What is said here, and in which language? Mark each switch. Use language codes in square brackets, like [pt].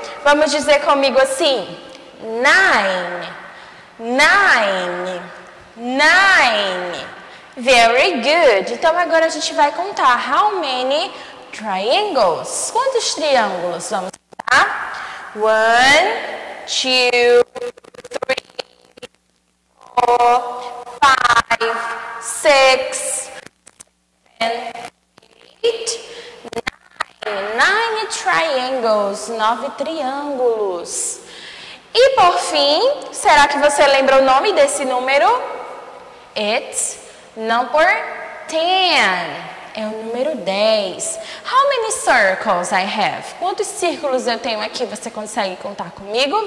[pt] Vamos dizer comigo assim: [en] nine, nine, nine. Very good. [pt] Então agora a gente vai contar: [en] how many triangles? [pt] Quantos triângulos vamos contar? [en] One, two, three, four, five, six, seven, eight, nine. Nine triangles. [pt] Nove triângulos. E por fim, será que você lembra o nome desse número? [en] It's number 10. [pt] É o número 10. [en] How many circles I have? [pt] Quantos círculos eu tenho aqui? Você consegue contar comigo?